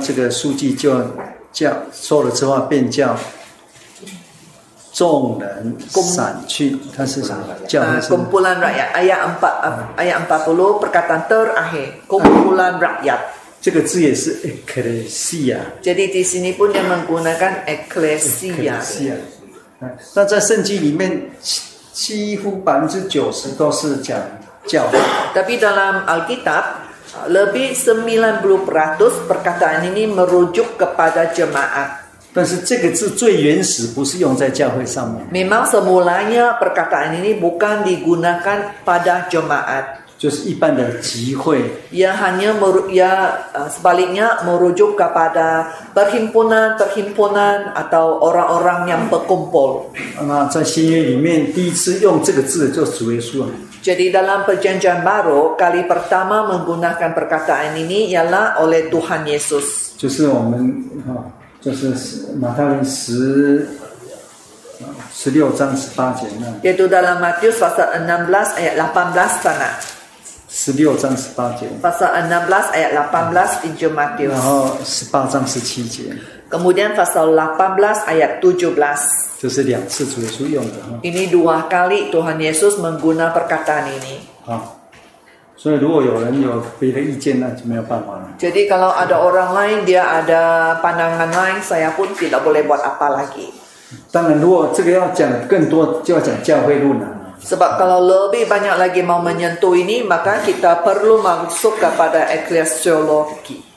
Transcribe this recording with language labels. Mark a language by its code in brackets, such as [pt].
[zh] 这个书记就叫说了这话，便叫众人散去。他是什么？叫什么 [ms] ？Kumpulan rakyat. Ayat 40 perkataan terakhir. Kumpulan rakyat. [zh] 这个字也是 ekklesia. [ms] Jadi di sini pun yang menggunakan ekklesia. [zh] 那在圣经里面，几乎90%都是讲。 [ms] Tapi dalam Alkitab lebih 90% perkataan ini merujuk kepada jemaat. [zh] 但是这个字最原始不是用在教会上面。 [ms] Memang semulanya perkataan ini bukan digunakan pada jemaat. [zh] 就是一般的集会。 [ms] Ia hanya sebaliknya merujuk kepada perhimpunan-perhimpunan atau orang-orang yang berkumpul. [zh] 那在新约里面第一次用这个字就是主耶稣啊。 [ms] Jadi dalam perjanjian baru kali pertama menggunakan perkataan ini ialah oleh Tuhan Yesus. [zh] 就是我们哈，就是马太福音16:18那。 [ms] Yaitu dalam Matius pasal 16 ayat 18 sana. [zh] 16:18。 [ms] Pasal 16 ayat 18 Injil Matius. [zh] 然后18:17。 [ms] Kemudian pasal 18 ayat 17. [zh] 这是两次主耶稣用的。 [ms] Ini dua kali Tuhan Yesus mengguna perkataan ini. [zh] 所以如果有人有别的意见，那就没有办法了。 [ms] Jadi kalau ada orang lain dia ada pandangan lain, saya pun tidak boleh buat apa lagi. [zh] 当然，如果这个要讲更多，就要讲教会论了。 [ms] Sebab kalau lebih banyak lagi mau menyentuh ini, maka kita perlu masuk kepada ekklesiologi.